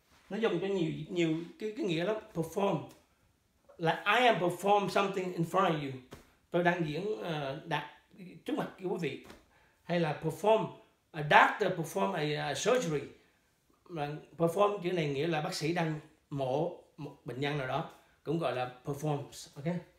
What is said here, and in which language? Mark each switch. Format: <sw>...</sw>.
<vi>Nó dùng cho nhiều cái nghĩa lắm.</vi> <en>Perform, like I am perform something in front of you.</en> <vi>Tôi đang diễn đạt trước mặt quý vị. Hay là perform,</vi> <en>a doctor perform a surgery.</en> <vi>Perform chữ này nghĩa là bác sĩ đang mổ một bệnh nhân nào đó, cũng gọi là performs, ok?</vi>